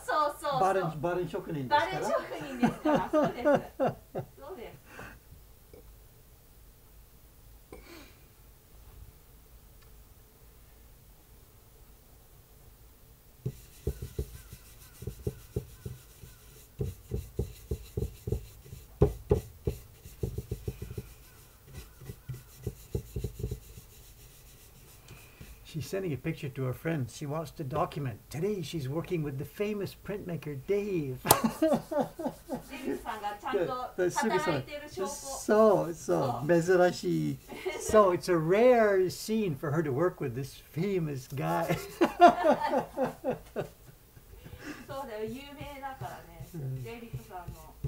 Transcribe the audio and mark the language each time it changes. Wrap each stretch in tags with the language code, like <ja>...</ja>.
<ja>うそうそう。バレン職人ですから。バレン職人ですから。そうです。</ja> <en>She's sending a picture to her friend. She wants to document. Today she's working with the famous printmaker Dave.</en> <ja>Dave-san が働いている証拠。そう、珍しい。</ja> <en>So it's a rare scene for her to work with this famous guy.</en> <ja>そうだよ、有名だからね、デイビッドさんの。</ja>